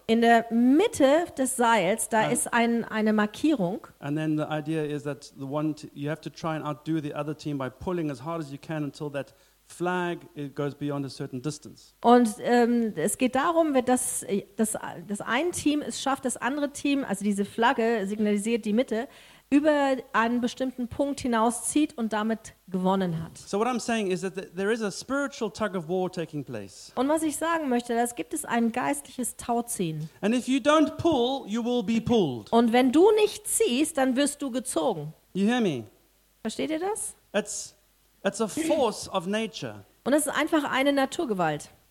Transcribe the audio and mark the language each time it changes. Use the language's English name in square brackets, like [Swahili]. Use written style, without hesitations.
[German] In der Mitte des Seils, da ist eine Markierung. [English] And then the idea is that the one you have to try and outdo the other team by pulling as hard as you can until that flag, it goes beyond a certain distance. [German] Und es geht darum, dass ein Team es schafft, das andere Team, also diese Flagge signalisiert die Mitte, über einen bestimmten Punkt hinauszieht und damit gewonnen hat. [English] So what I'm saying is that there is a spiritual tug of war taking place. [German] Und was ich sagen möchte, das gibt es ein geistliches Tauziehen. [English] And if you don't pull, you will be pulled. [German] Und wenn du nicht ziehst, dann wirst du gezogen. [English] You hear me? [German] Versteht ihr das? [English] It's a force of nature. [German] Und es ist einfach eine Naturgewalt.